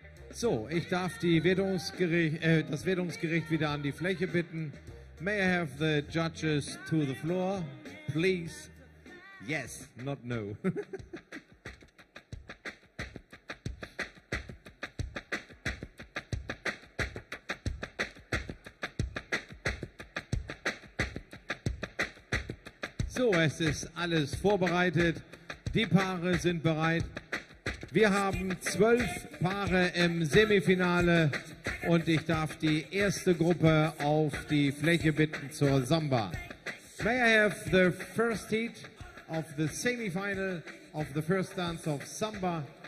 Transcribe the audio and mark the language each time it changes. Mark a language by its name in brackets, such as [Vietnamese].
[German] So, ich darf die das Wertungsgericht wieder an die Fläche bitten. [English] May I have the judges to the floor, please? Yes, not no. [German] So, es ist alles vorbereitet. Die Paare sind bereit. Wir haben 12 Paare im Semifinale und ich darf die erste Gruppe auf die Fläche bitten zur Samba. [English] May I have the first heat of the semifinal of the first dance of Samba?